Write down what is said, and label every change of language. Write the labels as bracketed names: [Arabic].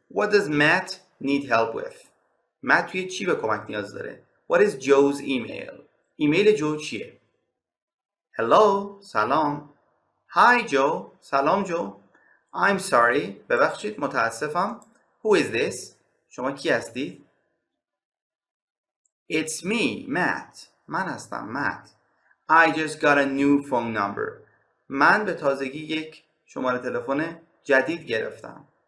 [English] What does Matt need help with? [Persian] مت توی چی به کمک نیاز داره؟ [English] What is Joe's email? [Persian] ایمیل جو چیه؟ [English] Hello, [Persian] سلام. [English] Hi Joe, [Persian] سلام جو. [English] I'm sorry, [Persian] ببخشید متاسفم. [English] Who is this? [Persian] شما کی هستید؟ [English] It's me, Matt. [Persian] من هستم, Matt. [English] I just got a new phone number. [Persian] من به تازگی یک شماره تلفن جدید گرفتم.